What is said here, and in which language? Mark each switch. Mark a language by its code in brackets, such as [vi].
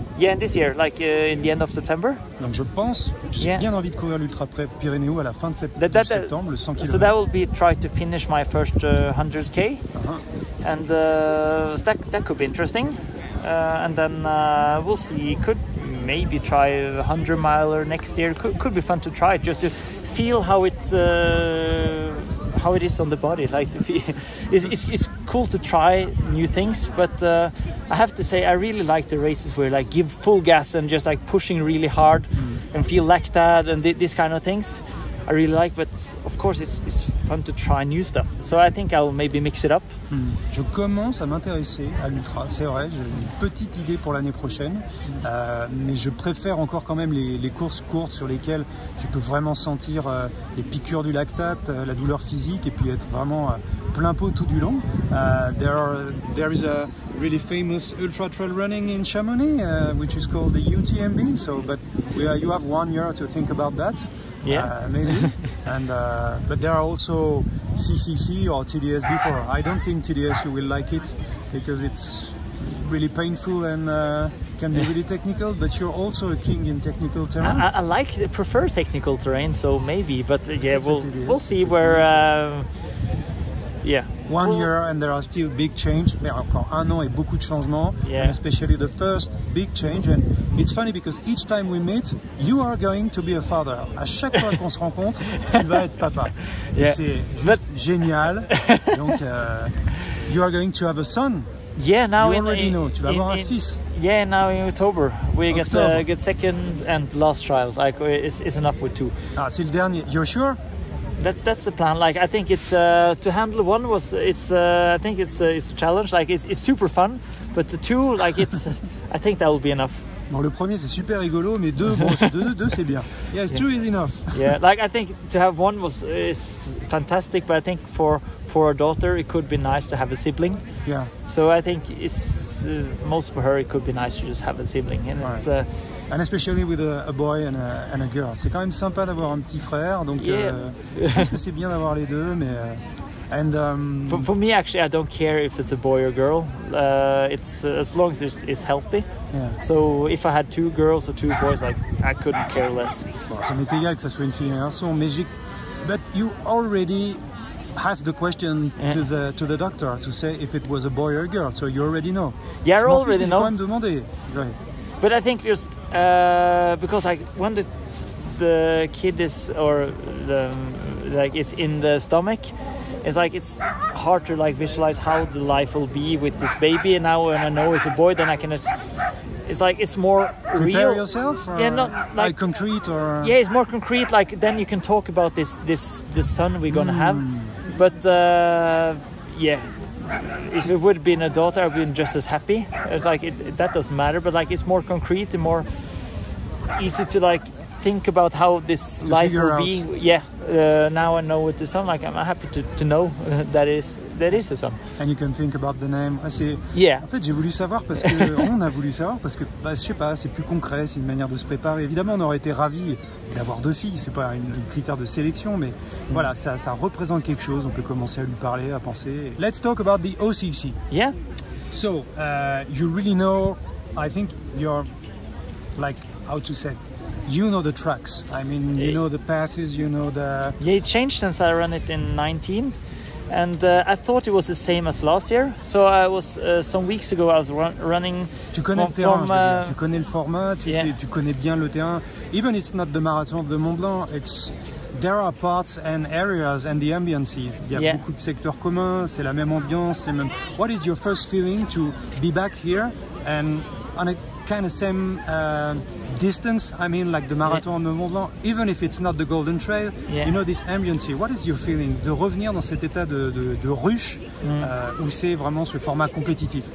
[en] Yeah, this year, like in the end of September. [fr] Donc je pense, j'ai bien envie de courir l'ultra Pyrénées à la fin de septembre, le 100 km. [en] So that will be try to finish my first 100K, and that could be interesting. And then we'll see. Could maybe try a 100 miler next year. Could be fun to try just to feel how it is on the body. Like to feel, it's cool to try new things. But I have to say, I really like the races where like give full gas and just like pushing really hard and feel like that and these kind of things. I really like, but of course it's fun to try new stuff. So I think I'll maybe mix it up. Mm. [fr] Je commence à m'intéresser à l'ultra, c'est vrai, j'ai une petite idée pour l'année prochaine. Mais je préfère encore quand même les courses courtes sur lesquelles je peux vraiment sentir les piqûres du lactate, la douleur physique et puis être vraiment plein pot tout du long. [en] There is a really famous ultra trail running in Chamonix which is called the UTMB, you have 1 year to think about that. Yeah, maybe. But there are also CCC or TDS before. I don't think TDS you will like it because it's really painful and can be really technical. But you're also a king in technical terrain. I prefer technical terrain, so maybe. But yeah, we'll see where. One year and there are still big change. [fr] Mais encore un an et beaucoup de changements. [en] Yeah. And especially the first big change. And it's funny because each time we meet, you are going to be a father. [fr] À chaque fois qu'on se rencontre, tu vas être papa. [en] Yeah. [fr] Et c'est juste génial. [en] Donc, you are going to have a son. Yeah, now you already know. [fr] Tu vas avoir un fils. [en] Yeah, now in October we get the second and last child. Like it's enough with two. [fr] Ah, c'est le dernier. [en] You're sure? That's the plan. Like I think it's to handle one was I think it's a challenge. Like it's super fun, but the two like it's I think that will be enough. [fr] Bon, le premier c'est super rigolo, mais deux bon deux c'est bien. [en] Yes, yeah. Two is enough. Yeah, like I think to have one was is fantastic, but I think for a daughter it could be nice to have a sibling. Yeah. So I think it's most for her it could be nice to just have a sibling, and right. It's. And especially with a boy and a girl. [fr] C'est quand même sympa d'avoir un petit frère, donc [en] yeah. [fr] Je pense que c'est bien d'avoir les deux, mais... [en] For me, actually, I don't care if it's a boy or girl. It's as long as it's healthy. Yeah. So if I had two girls or two boys, like, I couldn't care less. [fr] Bon, ça m'est égal que ça soit une fille ou un garçon, mais j'ai... [en] But you already asked the question to the doctor to say if it was a boy or a girl, so you already know. Yeah, I already know. [fr] Je m'en fiche, mais je vais quand même demander. [en] But I think just because like when the kid is or the like it's in the stomach, it's like it's hard to like visualize how the life will be with this baby. And now when I know it's a boy, then I can just it's like it's more prepare real. Yourself or yeah, not like concrete or yeah, it's more concrete. Like then you can talk about this son we're gonna have. But yeah. If it would have been a daughter, I'd been just as happy. It's like that doesn't matter, but like it's more concrete and more easy to like think about how this to life will Be. Yeah, now I know what the son. Like I'm happy to know that is a son. And you can think about the name. [fr] Ah, c'est... [en] Yeah. [fr] En fait, j'ai voulu savoir parce que on a voulu savoir parce que bah, je sais pas, c'est plus concret, c'est une manière de se préparer. Évidemment, on aurait été ravis d'avoir deux filles. C'est pas un critère de sélection, mais voilà, ça représente quelque chose. On peut commencer à lui parler, à penser. [en] Let's talk about the OCC. Yeah. So you really know? I think you're like how to say. You know the tracks. I mean, you know the paths, you know the... Yeah, it changed since I ran it in 19. And I thought it was the same as last year. So I was, some weeks ago, I was running... [fr] Tu connais le terrain, je veux dire. Tu connais le format, tu connais bien le terrain. [en] Even if it's not the Marathon of the Mont-Blanc, there are parts and areas and the ambiances. [fr] Il y a beaucoup de secteurs communs, c'est la même ambiance. C'est même... [en] What is your first feeling to be back here and on a... kind of same distance, I mean like the Marathon du Mont-Blanc, even if it's not the Golden Trail, you know this ambience here, what is your feeling [fr] de revenir dans cet état de ruche où c'est vraiment ce format compétitif?